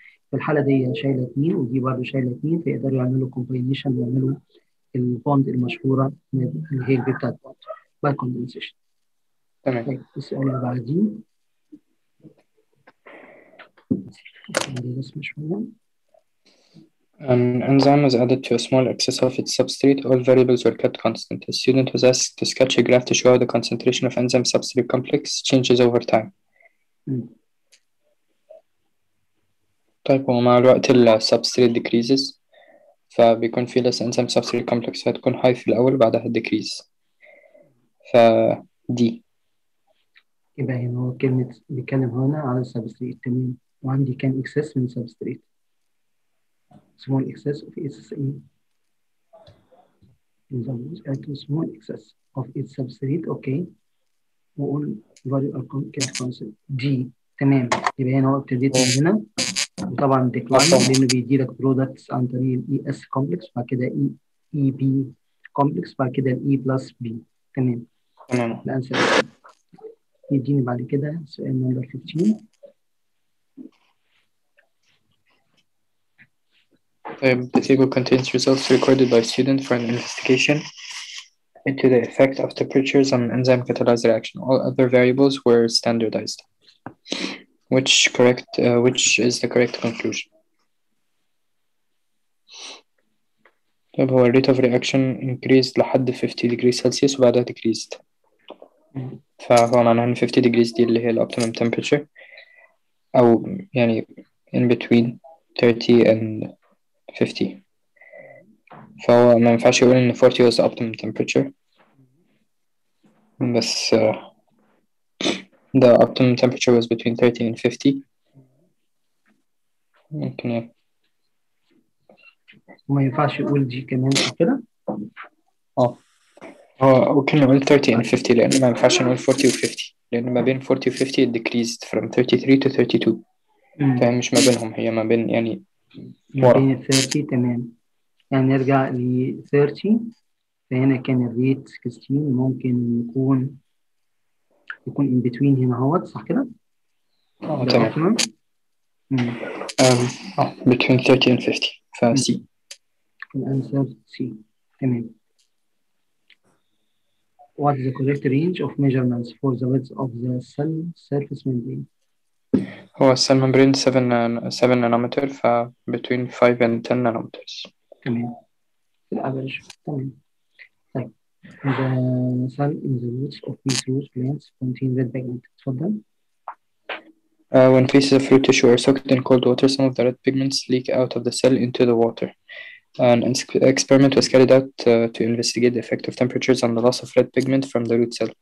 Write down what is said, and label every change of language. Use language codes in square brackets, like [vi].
[ar] في الحاله دي شايله اثنين ودي برضه شايله اثنين، فيقدروا يعملوا كومباينيشن ويعملوا البوند المشهوره اللي هي البيبتا بوند باي كوندنسيشن. تمام. طيب السؤال اللي بعديه، بس مش مهم. [en] An enzyme was added to a small excess of its substrate. All variables were kept constant. A student was asked to sketch a graph to show how the concentration of enzyme substrate complex changes over time. [ar] طيب ومع الوقت ال [en] substrate decreases [ar] فبيكون في [en] less enzyme substrate complex [ar] هتكون high في الأول وبعدها decrease. ف D. يبقى هنا هو كلمة بيتكلم هنا على substrate تمام، وعندي كان excess من substrate. [en] Small excess of SSE in the most at a small excess of its substrate. Okay. All value are kept constant. [ar] G. تمام. يبقى هنا ابتديت من هنا. وطبعا decline لانه بيدي لك products عن طريق ال ES complex بعد كده EB complex بعد كده E plus B. تمام. تمام. الانسر يديني بعد كده سؤال number 15. [en] The table contains results recorded by a student for an investigation into the effect of temperatures on enzyme catalyzed reaction. All other variables were standardized. Which is the correct conclusion? The rate of reaction increased لحد 50 degrees Celsius وبعدها decreased. [ar] فهو معناها 50 degrees دي اللي هي [en] the optimum temperature [ar] أو يعني [en] in between 30 and 50. [ar] فهو ما ينفعش يقول ان 40 [en] was the optimum temperature. بس the optimum temperature was between 30 and 50. [ar] ممكن ما ينفعش يقول دي كمان كده؟ ممكن نقول 30 and 50 لان ما ينفعش نقول 40 و 50 لان ما بين 40 و 50 [en] it decreased from 33 to 32. [ar] فهي مش ما بينهم، هي ما بين يعني بين 30 تمام. يعني نرجع ل 30 فهنا كان الريت 16 ممكن يكون ان بتوين هنا اهوت صح كده؟ تمام. بين 30 and 50 فسي. الانسر سي تمام. [en] What is the correct range of measurements for the width of the cell surface membrane? [ar] هو السيل ممبرين 7 نانومتر ف [en] between 5 and 10 [ar] نانومترز تمام في الافرج تمام. [en] طيب the cell in the roots of these root plants contain red pigment تفضل. When pieces of fruit tissue are soaked in cold water some of the red pigments leak out of the cell into the water. An experiment was carried out to investigate the effect of temperatures on the loss of red pigment from the root cell.